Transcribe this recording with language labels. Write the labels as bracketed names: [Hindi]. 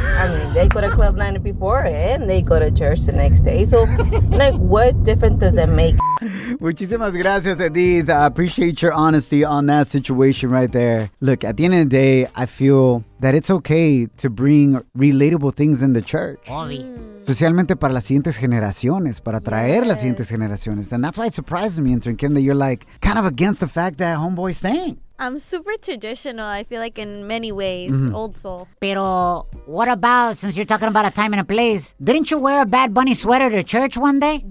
[English] I mean, they go to club 9 before and they go to church the next day. So, like, what difference does it make? [Spanish] Muchísimas gracias, Edith. [English] I appreciate your honesty on that situation right there. Look, at the end of the day, I feel that it's okay to bring relatable things in the church. [Spanish] Obvio. Especialmente para las siguientes generaciones, para traer las siguientes generaciones. [English] And that's why it surprises me, entering Kim, that you're like kind of against the fact that homeboy sang. I'm super traditional, I feel like, in many ways. Mm-hmm. Old soul. Pero, what about, since you're talking about a time and a place, didn't you wear a Bad Bunny sweater to church one day?